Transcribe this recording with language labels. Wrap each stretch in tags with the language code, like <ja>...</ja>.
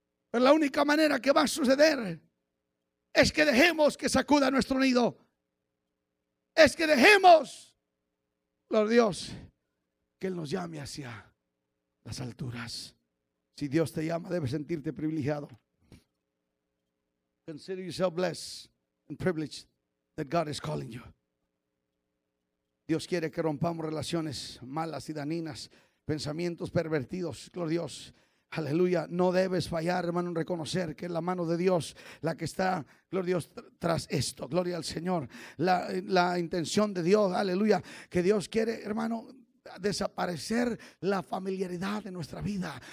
<es>Pero la única manera que va a suceder es que dejemos que sacuda nuestro nido. Es que dejemos, Lord Dios, que Él nos llame hacia las alturas. Si Dios te llama, debes sentirte privilegiado.</es> <en>Consider yourself blessed and privileged that God is calling you.</en> <es>Dios quiere que rompamos relaciones malas y dañinas, pensamientos pervertidos, Lord Dios. Aleluya, no debes fallar, hermano, en reconocer que es la mano de Dios la que está, gloria a Dios, tras esto, gloria al Señor. La intención de Dios, aleluya, que Dios quiere, hermano, desaparecer la familiaridad de nuestra vida.</es>